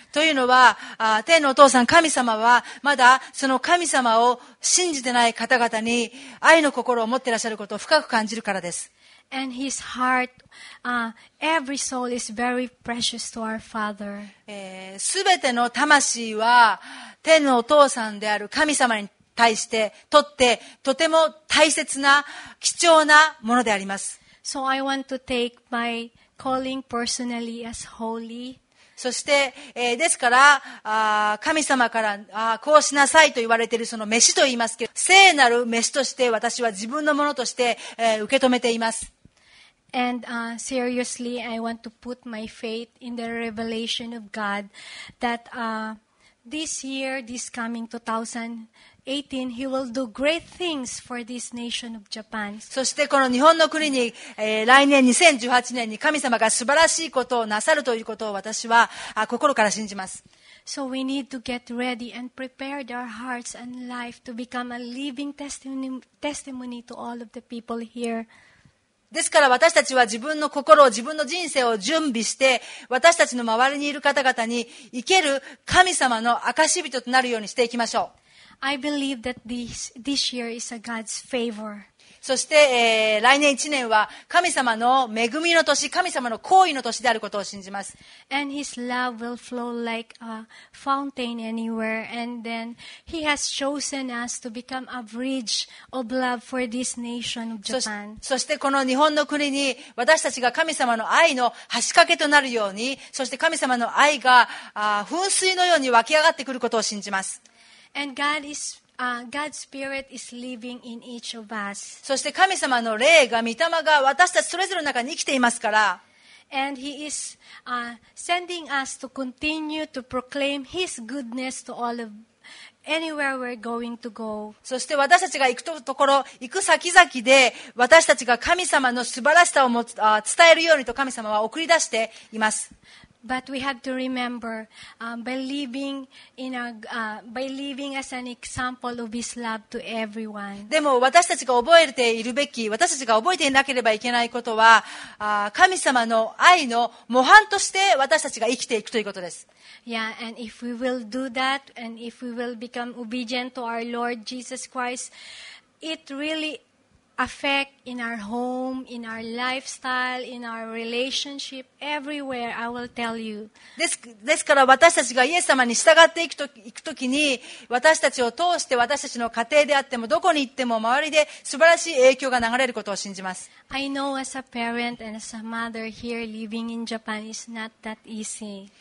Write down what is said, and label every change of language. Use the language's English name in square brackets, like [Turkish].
[Japanese] というのは、天のお父さん、神様は、まだその神様を信じてない方々に愛の心を持っていらっしゃることを深く感じるからです。 [English] And his heart, every soul is very precious to our Father. [Japanese] すべての魂は天のお父さんである神様に対してとってとても大切な貴重なものであります。 [English] So I want to take my calling personally as holy. [Japanese] そして、ですから、神様からこうしなさいと言われているその召しと言いますけど、聖なる召しとして私は自分のものとして、受け止めています。 [English] And, seriously, I want to put my faith in the revelation of God that, this year, this coming 2018, He will do great things for this nation of Japan. [Japanese] そしてこの日本の国に、来年2018年に神様が素晴らしいことをなさるということを私は、心から信じます。 [English] So we need to get ready and prepare our hearts and life to become a living testimony to all of the people here. [Japanese] ですから私たちは自分の心を、自分の人生を準備して、私たちの周りにいる方々に生ける神様の証人となるようにしていきましょう。 [English] I believe that this year is a God's favor. [Japanese] そして、来年1年は神様の恵みの年、神様の好意の年であることを信じます。 [English] And his love will flow like a fountain anywhere. And then he has chosen us to become a bridge of love for this nation of Japan. [Japanese] そしてこの日本の国に私たちが神様の愛の橋架けとなるように、そして神様の愛が噴水のように湧き上がってくることを信じます。 [English] And God's Spirit is living in each of us. [Japanese] そして神様の霊が、御霊が私たちそれぞれの中に生きていますから。 [English] And He is, sending us to continue to proclaim His goodness to all of, anywhere we're going to go. [Japanese] そして私たちが行くところ、行く先々で私たちが神様の素晴らしさを伝えるようにと神様は送り出しています。 [English] But we have to remember, by living as an example of His love to everyone. [Japanese] でも私たちが覚えているべき、私たちが覚えていなければいけないことは、神様の愛の模範として私たちが生きていくということです。 [English] Yeah, and if we will do that, and if we will become obedient to our Lord Jesus Christ, it really affect in our home, in our lifestyle, in our relationship, everywhere, I will tell you. [Japanese] ですから私たちがイエス様に従っていくと、行くときに、私たちを通して私たちの家庭であっても、どこに行っても周りで素晴らしい影響が流れることを信じます。 [English] I know as a parent and as a mother here living in Japan is not that easy.